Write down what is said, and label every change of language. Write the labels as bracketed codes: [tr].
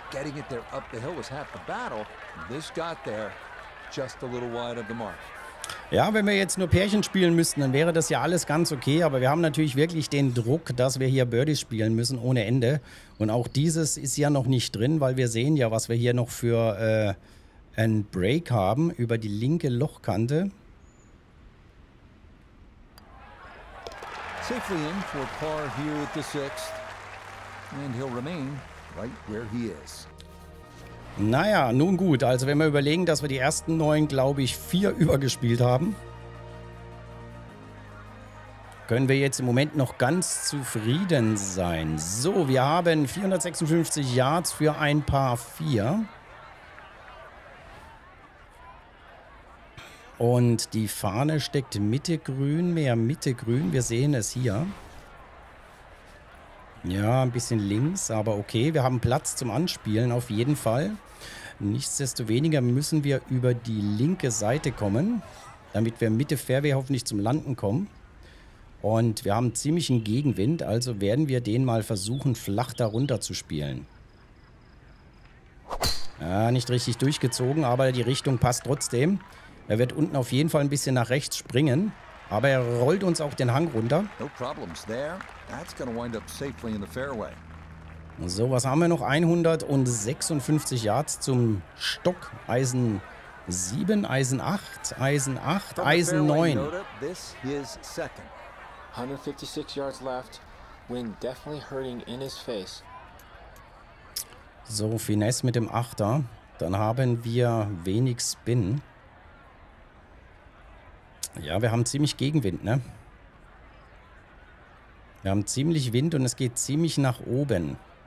[en] Getting it there up the hill was half the battle. This got there just a little wide of the mark. [de] Ja, wenn wir jetzt nur Pärchen spielen müssten, dann wäre das ja alles ganz okay. Aber wir haben natürlich wirklich den Druck, dass wir hier Birdies spielen müssen ohne Ende. Und auch dieses ist ja noch nicht drin, weil wir sehen ja, was wir hier noch für einen Break haben über die linke Lochkante. [en] Safely in for par here at the sixth, and he'll remain right where he is. [de] Naja, nun gut. Also wenn wir überlegen, dass wir die ersten neun, glaube ich, vier übergespielt haben, können wir jetzt im Moment noch ganz zufrieden sein. So, wir haben 456 Yards für ein paar vier. Und die Fahne steckt Mitte grün, mehr Mitte grün. Wir sehen es hier. Ja, ein bisschen links, aber okay. Wir haben Platz zum Anspielen, auf jeden Fall. Nichtsdestoweniger müssen wir über die linke Seite kommen, damit wir Mitte Fairway hoffentlich zum Landen kommen. Und wir haben ziemlichen Gegenwind, also werden wir den mal versuchen, flach darunter zu spielen. Ja, nicht richtig durchgezogen, aber die Richtung passt trotzdem. Er wird unten auf jeden Fall ein bisschen nach rechts springen, aber er rollt uns auch den Hang runter. [en] No problems there. That's gonna wind up safely in the fairway. [de] So, was haben wir noch? 156 Yards zum Stock. Eisen 7, Eisen 8, Eisen 8, Eisen 9. [en] This is second. 156 Yards left. Wind definitely hurting in his face. [de] So, Finesse mit dem Achter. Dann haben wir wenig Spin. Ja, wir haben ziemlich Gegenwind, ne? Wir haben ziemlich Wind und es geht ziemlich nach oben.